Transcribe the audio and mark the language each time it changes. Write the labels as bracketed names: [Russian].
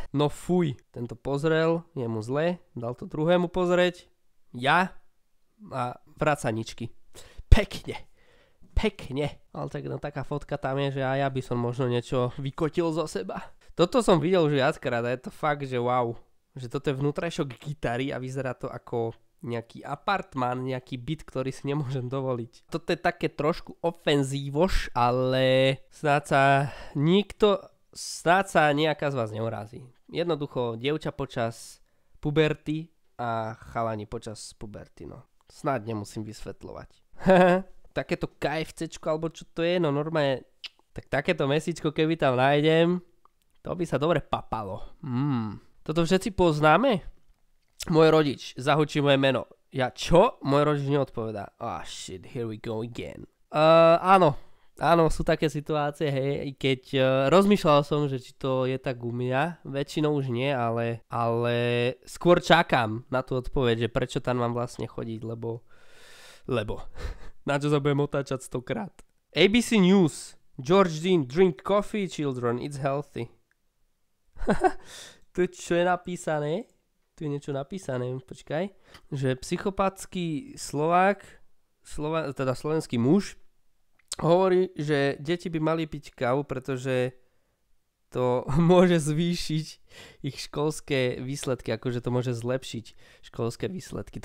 [Slovak] No fuj, tento pozrel, je mu zle, dal to druhému pozrieť, ja a vracaničky, pekne. Ale tak, no, taká fotka tam je, že aj ja by som možno niečo vykotil zo seba. Toto som videl už viackrát a je to fakt, že wow. Že toto je vnútrajšok gitary a vyzerá to ako nejaký apartman, nejaký byt, ktorý si nemôžem dovoliť. Toto je také trošku ofenzívoš, ale snáď sa nejaká z vás neurazí. Jednoducho, dievča počas puberty a chalani počas puberty, no. Snáď nemusím vysvetľovať. Takéto KFCčko, alebo čo to je, no normálne, tak takéto mesičko, keby tam nájdem, to by sa dobre papalo. Toto všetci poznáme? Môj rodič, zahučí moje meno. Ja čo? Môj rodič neodpovedá. [English] Oh shit, here we go again. [Slovak] Áno, sú také situácie, hej, keď rozmýšľal som, že či to je tak u mňa, väčšinou už nie, ale skôr čakám na tú odpoveď, že prečo tam mám vlastne chodiť, lebo, na čo sa budem otáčať 100-krát. [English] ABC News, George Dean, drink coffee, children, it's healthy. [Slovak] To čo je napísané? Tu je niečo napísané, počkaj. Že psychopatský slovenský muž, hovorí, že deti by mali piť kávu, pretože to môže zvýšiť ich školské výsledky, akože to môže zlepšiť školské výsledky.